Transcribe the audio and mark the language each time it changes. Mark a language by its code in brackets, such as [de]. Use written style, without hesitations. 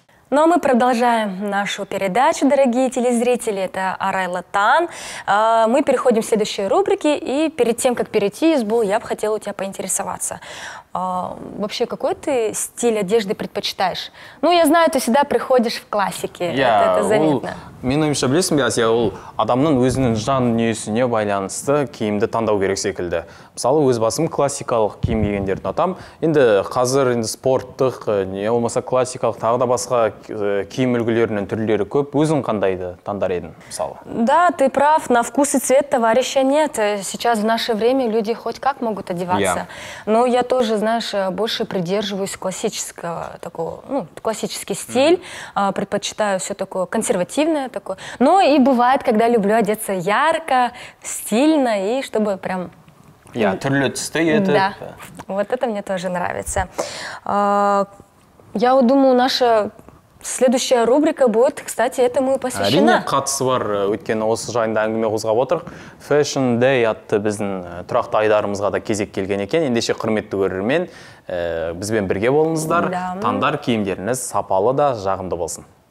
[ru] Ну, а мы продолжаем нашу передачу, дорогие телезрители. Это Арай Латан. Мы переходим к следующей рубрике. И перед тем, как перейти в избу, я бы хотела у тебя поинтересоваться. Вообще, какой ты стиль одежды предпочитаешь? Ну, я знаю, ты всегда приходишь в классике. Это заметно. [kk] Мен ойымша білесің бе, Асия, ол адамның өзінің жан дүниесіне байланысты киімді таңдау керек секілді. Мысалы, өз басым классикалық киім кигендерді ұнатамын. Енді қазір енді спорттық, не болмаса классикалық, тағы да басқа киім үлгілерінің түрлері көп. Өзің қандайды таңдар едің, мысалы? [ru] Да, ты прав, на вкус и цвет товарища нет. Сейчас в наше время люди хоть как могут одеваться. Но я тоже, знаешь, больше придерживаюсь классического такого, ну, классический стиль, предпочитаю все такое консервативное. Такое. Ну и бывает, когда люблю одеться ярко, стильно и чтобы прям... Я трюлетистый это. Да, вот это мне тоже нравится. Я вот думаю, наша следующая рубрика будет, кстати, этому и посвящена. Рине [kk] Кацвар, уйткен осы жайында әңгіме қозғап отыр. Fashion Day атты біздің тұрақты айдарымызға да кезек келген екен. Ендеше құрметті көрермен, бізбен бірге болыңыздар. Таңдар киімдеріңіз сапалы да жағымды болсын.